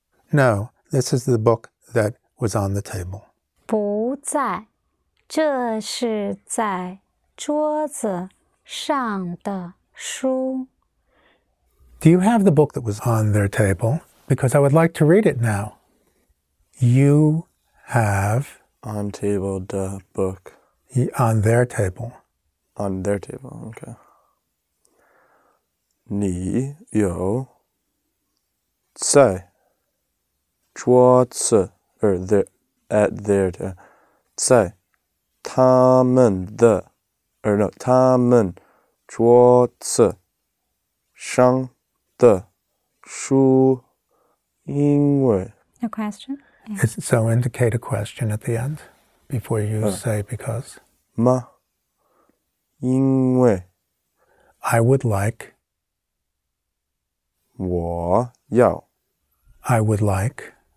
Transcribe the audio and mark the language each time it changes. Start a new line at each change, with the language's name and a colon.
English: No, this is the book that was on the table.
Chinese: 不在，这是在桌子上的书。
English: Do you have the book that was on their table? Because I would like to read it now. You have... On table, the book. On their table. On their table, okay.
Chinese: 你有在... 桌子,
English: or their, at their,
Chinese: 在他们的,
English: or no,
Chinese: 他们桌子上的书因为.
English: A question? Yeah. So indicate a question at the end, before you say because.
Chinese: 吗?因为.
English: I would like.
Chinese: 我要.
English: I would like.